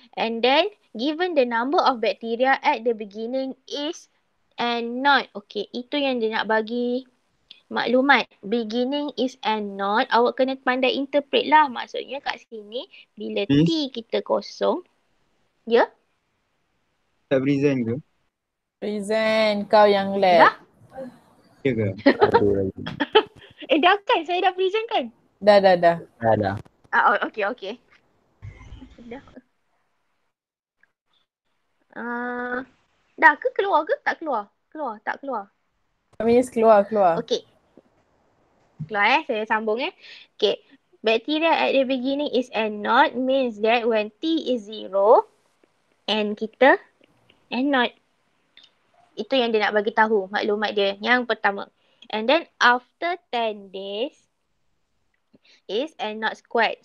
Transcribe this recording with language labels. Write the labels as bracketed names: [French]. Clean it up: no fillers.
[English] And then given the number of bacteria at the beginning is n naught. Okay. [Malay] Itu yang dia nak bagi maklumat. [English] Beginning is n naught. [Malay] Awak kena pandai interpret lah. Maksudnya kat sini bila t kita kosong. Ya? Yeah? Tak present ke? Present. Kau yang lag. Dah? Ya ke? Aduh lagi. Eh dah kan? Saya dah present kan? Dah, dah, dah. Dah, dah. Ah, oh, okay, okay. Dah ke keluar ke? Tak keluar. Keluar, tak keluar. Amis, keluar, keluar. Okay. Keluar eh, saya sambung eh. Okay. [English] Bacteria at the beginning is N naught means that when T is zero, N kita N naught. [Malay] Itu yang dia nak bagi tahu maklumat dia. Yang pertama. [English] And then after 10 days, is n not squared.